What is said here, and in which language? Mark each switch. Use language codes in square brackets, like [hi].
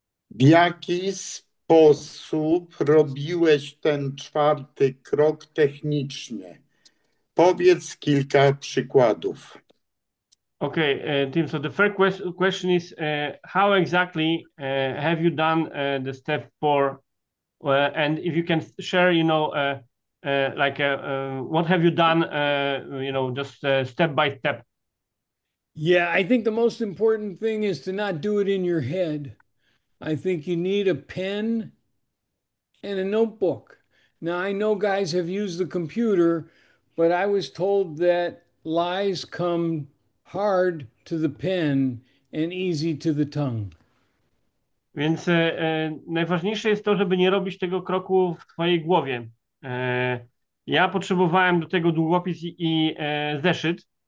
[pl] W jaki sposób robiłeś ten czwarty krok technicznie? Powiedz kilka przykładów. [en] Okay, Tim, so the first question is how exactly have you done the step four? And if you can share, what have you done, step by step? Yeah, I think the most important thing is to not do it in your head. I think you need a pen and a notebook. Now, I know guys have used the computer, but I was told that lies come hard to the pen and easy to the tongue. [pl] Więc najważniejsze jest to, żeby nie robić tego kroku w twojej głowie. Ja potrzebowałem do tego długopis i zeszyt.